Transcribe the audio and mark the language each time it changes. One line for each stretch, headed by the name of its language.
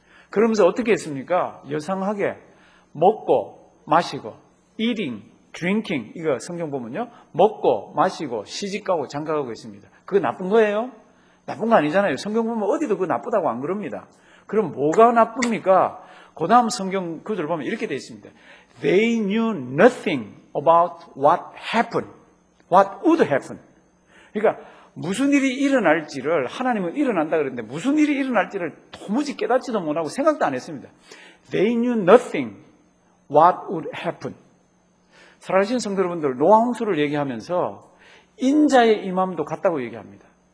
Korean: 그러면서 어떻게 했습니까? 여상하게 먹고 마시고
English: eating, drinking
Korean: 이거 성경 보면요. 먹고 마시고 시집가고 장가가고 있습니다. 그거 나쁜 거예요? 나쁜 거 아니잖아요. 성경 보면 어디도 그거 나쁘다고 안 그럽니다. 그럼 뭐가 나쁩니까? 그 다음 성경 구절을 보면 이렇게 되어 있습니다.
English: They knew nothing about what happened, what would happen.
Korean: 그러니까 무슨 일이 일어날지를 하나님은 일어난다 그랬는데 무슨 일이 일어날지를 도무지 깨닫지도 못하고 생각도 안 했습니다.
English: They knew nothing what would happen.
Korean: 사랑하시는 성도 여러분들, 노아 홍수를 얘기하면서 인자의 임함도 같다고 얘기합니다.